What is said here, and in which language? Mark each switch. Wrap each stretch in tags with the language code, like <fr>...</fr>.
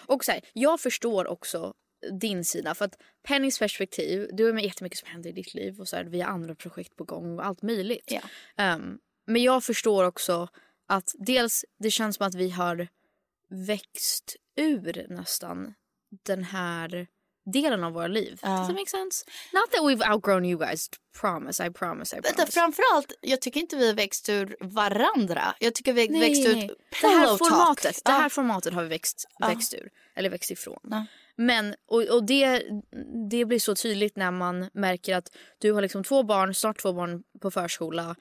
<sv>Och så här, jag förstår också din sida, för att Pennys perspektiv, du är med jättemycket som händer i ditt liv och så här, vi har andra projekt på gång och allt möjligt.</sv> <en>Yeah.</en> <sv>Men jag förstår också att dels det känns som att vi har växt ur nästan den här delen av våra liv.</sv> <en>Does that make sense? Not that we've outgrown you guys, promise, I promise, I promise.</en> <sv>Men framförallt, jag tycker inte vi har växt ur varandra. Jag tycker vi har växt ur pillow talk. Det här formatet har vi växt ur, eller växt ifrån. Men, och det blir så tydligt när man märker att du har liksom två barn, snart två barn på förskola.</sv>